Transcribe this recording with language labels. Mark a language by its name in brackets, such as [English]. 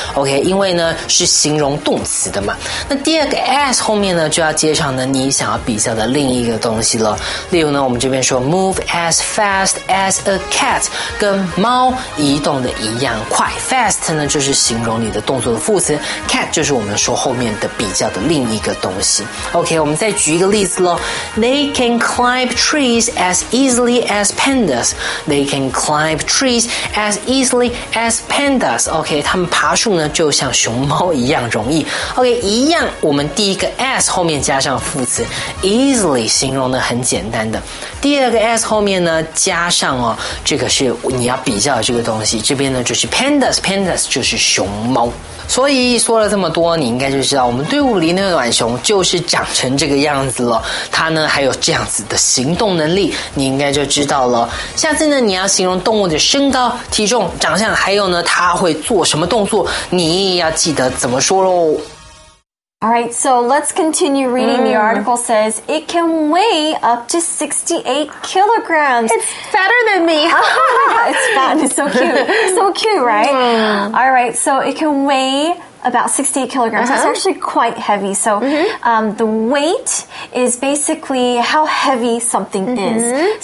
[Chinese] OK, 因为呢是形容动词的嘛。那第二个 as 后面呢就要接上呢你想要比较的另一个东西了。例如呢我们这边说 [English] move as fast as a cat, [Chinese] 跟猫移动的一样快。 fast 呢就是形容你的动作的副词， cat 就是我们说后面的比较的另一个东西。 OK, 我们再举一个例子咯。 [English] They can climb trees as easily as pandas. They can climb trees as easily as pandas. [Chinese] OK, 他们爬树呢就像熊猫一样容易。 OK, 一样我们第一个 as 后面加上副词 easily, 形容的很简单的。第二个 as 后面呢加上哦，这个是你要比较的这个东西，这边呢就是 pandas, pandas 就是熊猫。所以说了这么多你应该就知道我们队伍里那个浣熊就是长成这个样子了，它呢还有这样子的行动能力，你应该就知道了。下次呢你要形容动物的身高体重长相还有呢它会做什么动作，你要记得怎么说咯。 [English] Alright, so let's continue reading. The article says, it can weigh up to 68 kilograms. It's fatter than me. It's fat and it's so cute. So cute, right? Alright, so it can weigh about 68 kilograms. That's actually quite heavy. So, the weight is basically how heavy something is.